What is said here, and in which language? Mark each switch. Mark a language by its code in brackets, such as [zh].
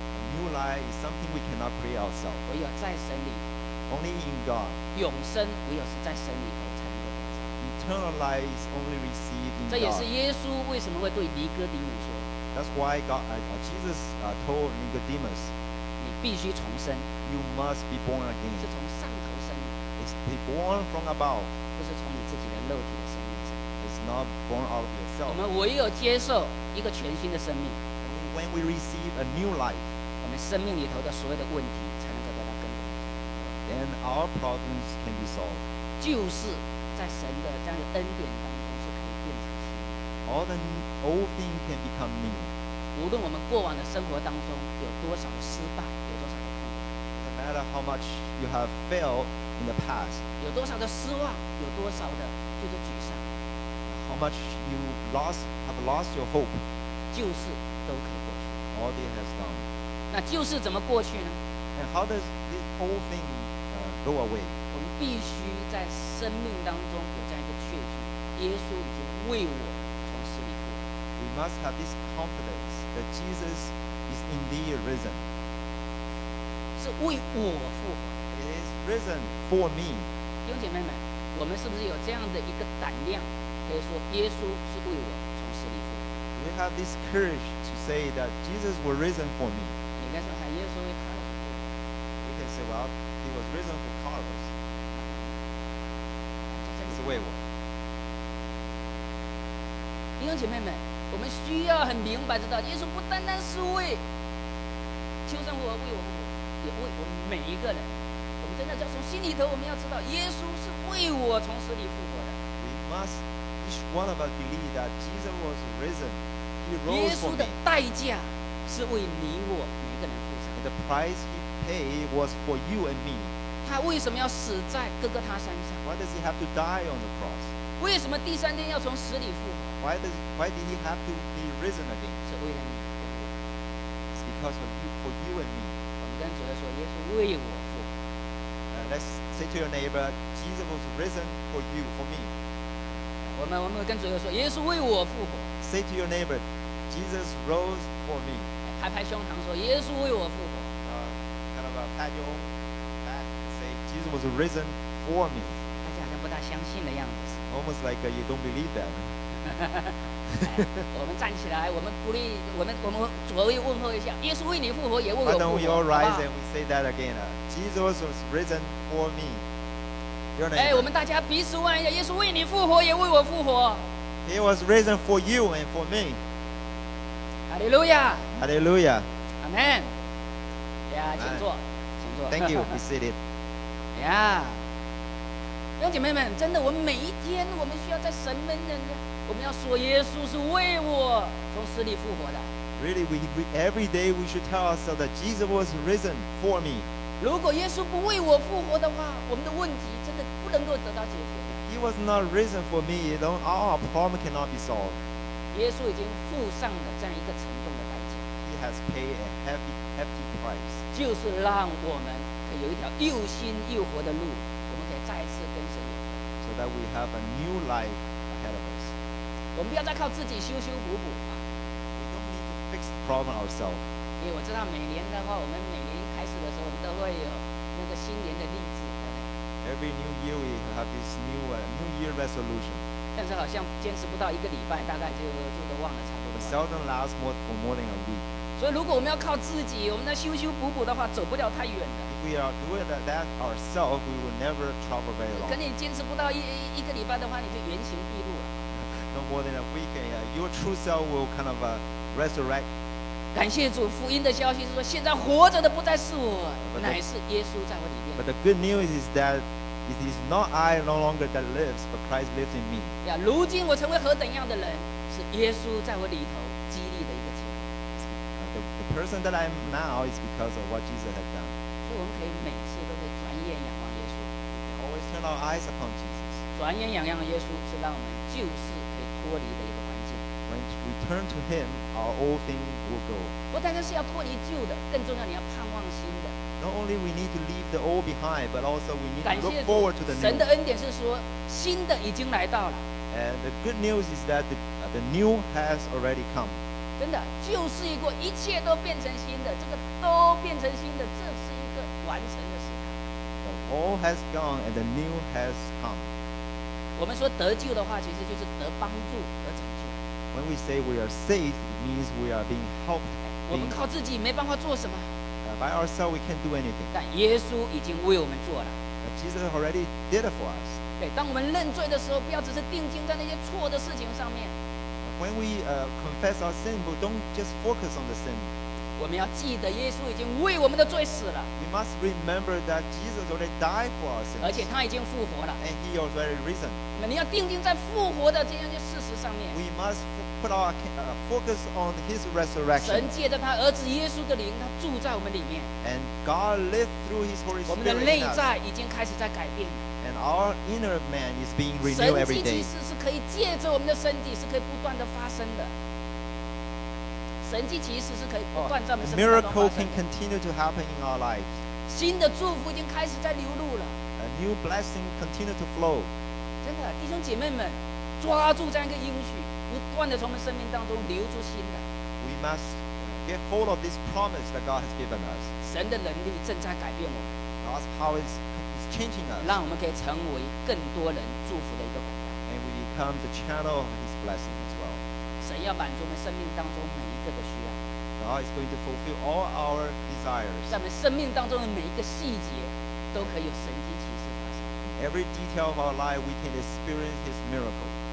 [en] New life is something we cannot create ourselves. [zh] 唯有在神里。 [en] Only in God. [zh] 永生唯有是在神里头才能 [en] Eternal life is only received in God. [zh] 这也是耶稣为什么会对尼哥底母说。 [en] That's why God, Jesus, told Nicodemus. [zh] 你必须重生。 [en] You must be born again. [zh] 是从上头生的。 [en] It's be born from above. [zh] 不是从你自己的肉体的生命生。 [en] It's not born out of yourself. [zh] 我们唯有接受一个全新的生命。 [en] When we receive a new life. [zh] 生命里头的所有的问题才能够得到根本。 [en] Then our problems can be solved. [zh] 就是在神的这样的恩典当中是可以变成新的。 [en] All the old things can become new. [zh] 无论我们过往的生活当中有多少的失败，有多少的痛苦。 [en] No matter how much you have failed in the past. [zh] 有多少的失望，有多少的就是沮丧。 [en] How much you lost, have lost your hope. [zh] 就是都可以过去。 [en] All that has done. [zh] 那就是怎么过去呢？ [en] And how does this whole thing go away? [zh] 我们必须在生命当中有这样一个确据，耶稣已经为我从死里复活。 [en] We must have this confidence that Jesus is indeed risen. [zh] 是为我复活。 [en] It is risen for me. [zh] 弟兄姐妹们，我们是不是有这样的一个胆量，可以说耶稣是为我从死里复活？ [en] We have this courage to say that Jesus was risen for me. [zh] 应该说还耶稣为卡尔。 [en] You can say, well, he was risen for Carlos. [zh] 这是为我。弟兄姐妹们，我们需要很明白知道，耶稣不单单是为秋生活，为我们，也为我们每一个人。我们真的要从心里头，我们要知道，耶稣是为我从死里复活的。 [en] We must each one of us believe that Jesus was risen. He rose for me. [zh] 耶稣的代价是为你我。 [en] The price he paid was for you and me. [zh] 他为什么要死在哥哥他山上？ [en] Why does he have to die on the cross? [zh] 为什么第三天要从死里复活？ [en] Why did he have to be risen again? [zh] 是为了你。 [en] It's because of you, for you and me. [zh] 我们跟主耶稣说，耶稣为我复活。 [en] Let's say to your neighbor, Jesus was risen for you, for me. [zh] 我们跟主耶稣说，耶稣为我复活。 [en] Say to your neighbor, Jesus rose for me. [zh] 拍拍胸膛说：“耶稣为我复活。” [en] Kind of a pat your back, say Jesus was risen for me. [zh] 大家好像不大相信的样子。 [en] Almost like you don't believe that. [zh] 我们站起来，我们鼓励我们左右问候一下：“耶稣为你复活，也为我复活。” [en] Why don't we all rise and we say that again? Jesus was risen for me. [zh] 哎，我们大家彼此问一下：“耶稣为你复活，也为我复活。” [en] He was risen for you and for me. Hallelujah! Hallelujah! [zh] Amen! Yeah, 请坐，请坐。 [en] Thank you. Be seated. Yeah. [zh] 兄弟姐妹们，真的，我们每一天，我们需要在神面前，我们要说耶稣是为我从死里复活的。 [en] Really, we every day we should tell ourselves that Jesus was risen for me. [zh] 如果耶稣不为我复活的话，我们的问题真的不能够得到解决。 [en] He was not risen for me. You know, all our problem cannot be solved. [zh] 耶稣已经付上了这样一个沉重的代价。 [en] He has paid a hefty price. [zh] 就是让我们可以有一条又新又活的路，我们可以再次跟神有份。 [en] So that we have a new life ahead of us. [zh] 我们不要再靠自己修修补补啊。 [en] We don't need to fix the problem ourselves. [zh] 因为我知道每年的话，我们每年开始的时候，我们都会有那个新年的励志。 [en] Every new year we have this new year resolution. [zh] 但是好像坚持不到一个礼拜，大概就都忘了差不多了。 [en] Seldom lasts for more than a week. [zh] 所以如果我们要靠自己，我们在修修补补的话，走不了太远的。 [en] If we are doing that ourselves, we will never travel very long. [zh] 可能你坚持不到一个礼拜的话，你就原形毕露了。 [en] No more than a week, your true self will kind of resurrect. [zh] 感谢主，福音的消息是说，现在活着的不再是我，乃是耶稣在我里面。 [en] But the good news is that it is not I no longer that lives, but Christ lives in me. [zh] 呀，如今我成为何等样的人，是耶稣在我里头激励的一个结果。 [en] The person that I am now is because of what Jesus has done. [zh] 所以我们可以每次都可以转眼仰望耶稣。 [en] Always turn our eyes upon Jesus. [zh] 转眼仰望耶稣是让我们就是。脱离的一个环境。 [en] When we turn to Him, our old thing will go. [zh] 不单单是要脱离旧的，更重要你要盼望新的。 [en] Not only we need to leave the old behind, but also we need to look forward to the new. [zh] 神的恩典是说新的已经来到了。 [en] And the good news is that the new has already come. [zh] 真的，旧事已过，一切都变成新的。这个都变成新的，这是一个完成的时刻。 [en] All has gone and the new has come. [zh] 我们说得救的话，其实就是得帮助、得拯救。 [en] When we say we are saved, it means we are being helped. [zh] 我们靠自己没办法做什么。 [en] By ourselves, we can't do anything. [zh] 但耶稣已经为我们做了。 [en] Jesus already did it for us. [zh] 对，当我们认罪的时候，不要只是定睛在那些错的事情上面。 [en] When we confess our sin, but don't just focus on the sin. [zh] 我们要记得耶稣已经为我们的罪死了。 [en] We must remember that Jesus already died for our sins. [zh] 而且他已经复活了。 [en] And he already risen. [zh] 你要定睛在复活的这样的事实上面。 [en] We must put our focus on His resurrection. [zh] 神借着他儿子耶稣的灵，他住在我们里面。 [en] And God lived through His Holy Spirit. [zh] 我们的内在已经开始在改变。 [en] And our inner man is being renewed every day. [zh] 神迹其实是可以借着我们的身体，是可以不断的发生的。神迹其实是可以不断在我们身体发生的。 [en] Miracle can continue to happen in our lives. [zh] 新的祝福已经开始在流露了。 [en] A new blessing continue to flow. [zh] 真的，弟兄姐妹们，抓住这样一个应许，不断的从我们生命当中流出新的。 [en] We must get hold of this promise that God has given us. [zh] 神的能力正在改变我们。 [en] God's power is changing us. [zh] 让我们可以成为更多人祝福的一个管道。 [en] And we become the channel of His blessing as well. [zh] 神要满足我们生命当中每一个的需要。 [en] God is going to fulfill all our desires. [zh] 在我们生命当中的每一个细节，都可以有神迹。 [en] Every detail of our life, we can experience His miracle.